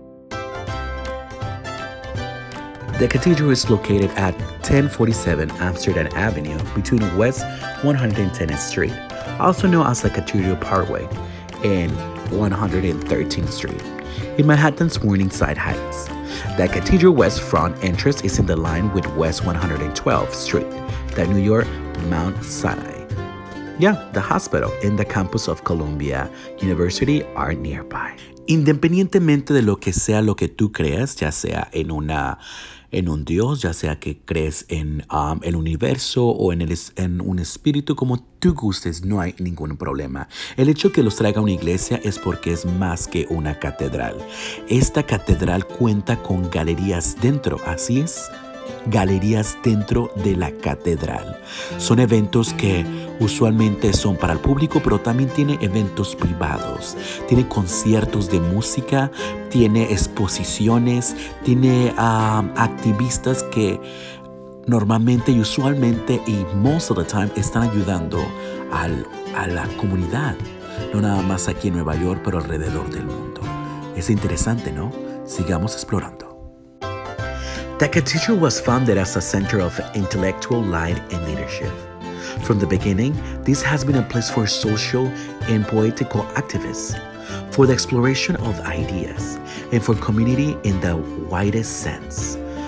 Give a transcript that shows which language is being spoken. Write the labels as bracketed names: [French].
[English] The cathedral is located at 1047 Amsterdam Avenue between West 110th Street, also known as the Cathedral Parkway, and 113th Street, in Manhattan's Morningside Heights. The cathedral west front entrance is in the line with West 112th Street, the New York Mount Sinai. Yeah, the hospital and the campus of Columbia University are nearby. [Spanish] Independientemente de lo que tú creas, ya sea en una... en un Dios, ya sea que crees en el universo o en un espíritu, como tú gustes, no hay ningún problema. El hecho que los traiga una iglesia es porque es más que una catedral. Esta catedral cuenta con galerías dentro, así es, galerías dentro de la catedral. Son eventos que usualmente son para el público, pero también tiene eventos privados. Tiene conciertos de música, tiene exposiciones, tiene activistas que normalmente y usualmente y [English] most of the time [Spanish] están ayudando a la comunidad. No nada más aquí en Nueva York, pero alrededor del mundo. Es interesante, ¿no? Sigamos explorando. [English] The cathedral was founded as a center of intellectual light and leadership. From the beginning, this has been a place for social and political activists, for the exploration of ideas, and for community in the widest sense.